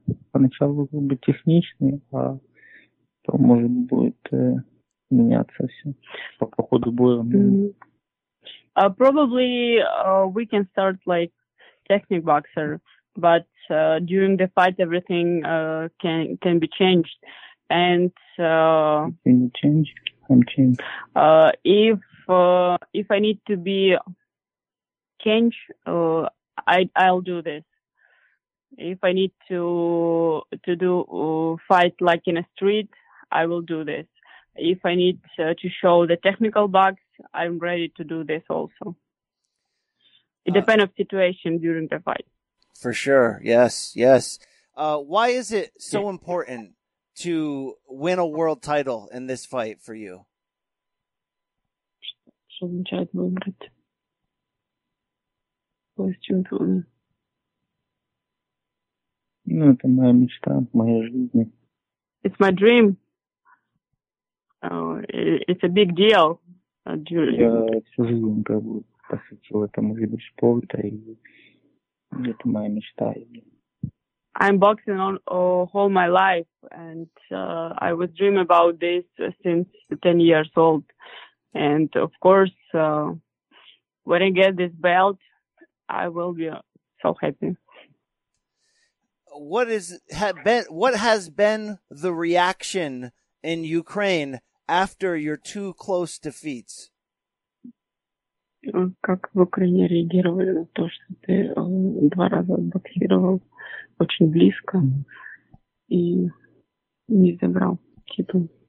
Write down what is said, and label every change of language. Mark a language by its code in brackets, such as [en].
[ru] Поначалу будет техничный, а то может будет меняться все по ходу боя. [en] Probably we can start like technic boxer, but during the fight, everything can be changed. And can you change? I'm changed. If I need to be changed, I'll do this. If I need to do fight like in a street, I will do this. If I need to show the technical box, I'm ready to do this also. It depends on situation during the fight. For sure. Yes. Yes. Why is it so important to win a world title in this fight for you? [ru] Чтобы начать выиграть. Пусть чемпионы. Ну, это моя мечта, моя жизнь. [en] It's my dream. It's a big deal. [ru] Я всю жизнь как бы посвятил этому виду спорта, и это моя мечта. [en] I'm boxing all my life, and I was dreaming about this since 10 years old. And of course, when I get this belt, I will be so happy. What has been the reaction in Ukraine after your two close defeats? [ru] Как в Украине реагировали на то, что ты два раза боксировал очень близко и не забрал титул?